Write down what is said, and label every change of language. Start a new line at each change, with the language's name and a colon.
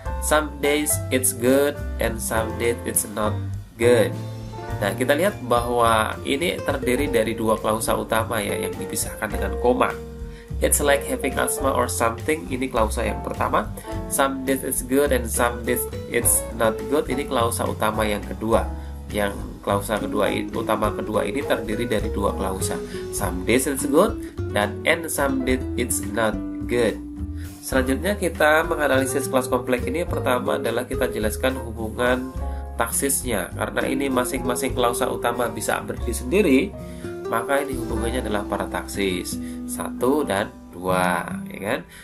English: Some days it's good and some days it's not good.
Indonesian: Nah, kita lihat bahwa ini terdiri dari dua klausa utama ya yang dipisahkan dengan koma.
English: It's like having asthma or something.
Indonesian: Ini klausa yang pertama.
English: Some days it's good and some days it's not good.
Indonesian: Ini klausa utama yang kedua. Yang klausa kedua utama kedua ini terdiri dari dua klausa.
English: Some days it's good dan and some days it's not good.
Indonesian: Selanjutnya kita menganalisis klaus kompleks ini. Pertama adalah kita jelaskan hubungan taksisnya. Karena ini masing-masing klausa utama bisa berdiri sendiri, maka ini hubungannya adalah parataksis 1 dan 2, ya kan?